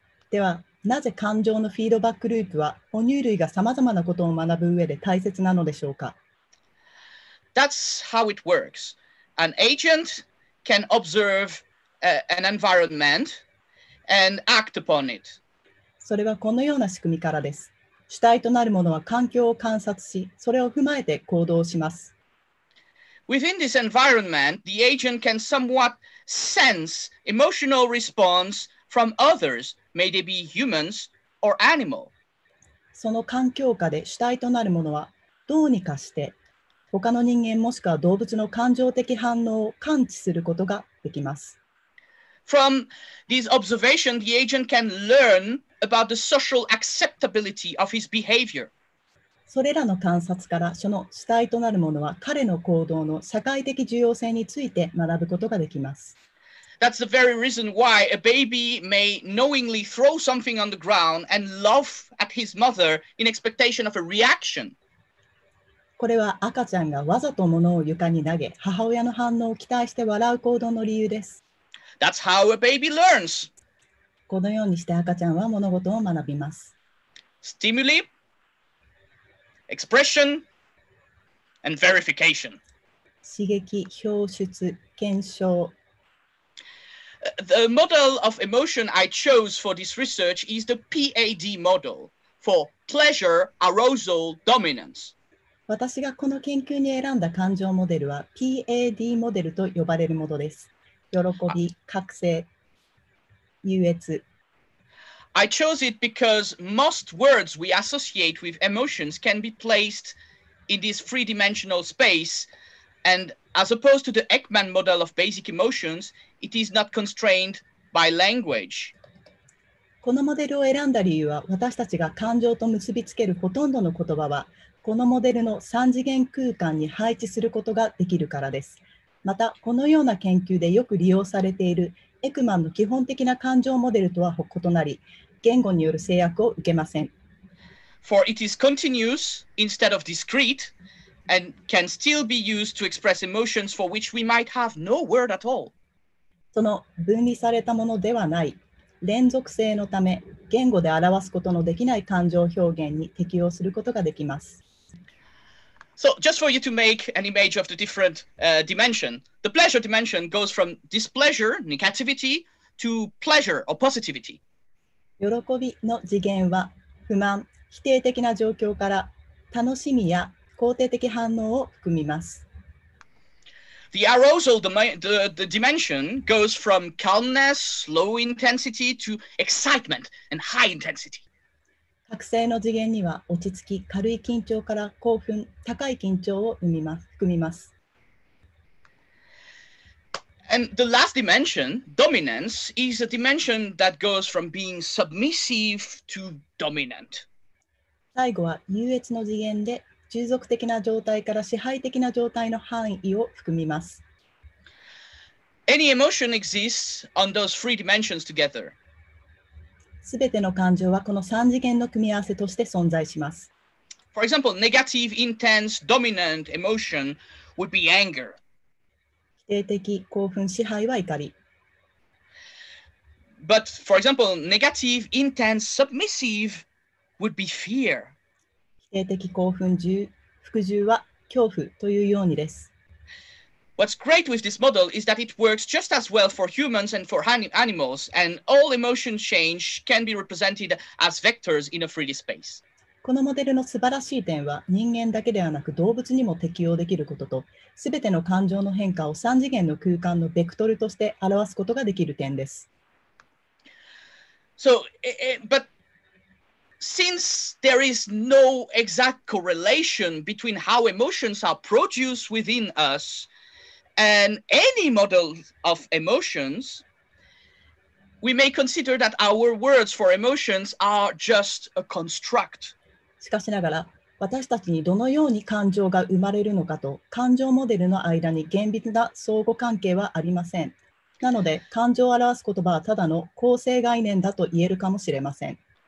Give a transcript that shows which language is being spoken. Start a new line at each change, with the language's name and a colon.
Japanese: では、なぜ感情のフィードバックループは哺乳類がさまざまなことを学ぶ上で大切なのでしょうか?
English: That's how it works. An agent can observe an environment and act upon it.
Japanese: それはこのような仕組みからです。主体となるものは環境を観察し、それを踏まえて行動します。
English: Within this environment, the agent can somewhat sense emotional response from others, may they be humans or animal.
Japanese: その環境下で主体となるものは、どうにかして他の人間もしくは動物の感情的反応を感知することができます。
English: From these observations, the agent can learn about the social acceptability of his behavior.
Japanese: それらの観察から、その主体となるものは彼の行動の社会的重要性について学ぶことができます。
English: That's the very reason why a baby may knowingly throw something on the ground and laugh at his mother in expectation of a reaction.
Japanese: これは赤ちゃんがわざと物を床に投げ、母親の反応を期待して笑う行動の理由です。
English: That's how a baby learns.
Japanese: このようにして赤ちゃんは物事を学びます。
English: Stimuli, expression, and verification.
Japanese: 刺激、表出、検証。
English: The model of emotion I chose for this research is the PAD model for pleasure arousal dominance.
Japanese: 私がこの研究に選んだ感情モデルは PAD モデルと呼ばれるものです。喜び、覚醒、優越。
English: I chose it because most words we associate with emotions can be placed in this three-dimensional space, and as opposed to the Ekman model of basic emotions, it is not constrained by language.
Japanese: このモデルを選んだ理由は、私たちが感情と結びつけるほとんどの言葉は、このモデルの三次元空間に配置することができるからです。また、このような研究でよく利用されているエクマンの基本的な感情モデルとは異なり、言語による制約を受けません。
English: For it is continuous instead of discrete and can still be used to express emotions for which we might have no word at all.
Japanese: その分離されたものではない、連続性のため、言語で表すことのできない感情表現に適用することができます。
English: So just for you to make an image of the different dimension, the pleasure dimension goes from displeasure, negativity, to pleasure or positivity.
Japanese: 喜びの次元は不満、否定的な状況から楽しみや肯定的反応を含みます。
English: The arousal, the dimension goes from calmness, low intensity, to excitement and high intensity.
Japanese: 覚醒の次元には落ち着き、軽い緊張から興奮、高い緊張を含みます。
English: And the last dimension, dominance, is a dimension that goes from being submissive to dominant.
Japanese: 最後は優越の次元で従属的な状態から支配的な状態の範囲を含みます。
English: Any emotion exists on those three dimensions together.
Japanese: すべての感情はこの3次元の組み合わせとして存在します。
English: For example, negative, intense, dominant emotion would be anger.
Japanese: 否定的興奮支配は怒り。
English: But for example, negative, intense, submissive would be fear.
Japanese: 否定的興奮従服従は恐怖というようにです。
English: What's great with this model is that it works just as well for humans and for animals, and all emotion change can be represented as vectors in a 3D space.
Japanese: このモデルの素晴らしい点は、人間だけではなく動物にも適用できることと、すべての感情の変化を3次元の空間のベクトルとして表すことができる点です。
English: So, but since there is no exact correlation between how emotions are produced within us and any model of emotions, we may consider that our words for emotions are just a construct.
Japanese: しかしながら、私たちにどのように感情が生まれるのかと、感情モデルの間に厳密な相互関係はありません。なので、感情を表す言葉はただの構成概念だと言えるかもしれません。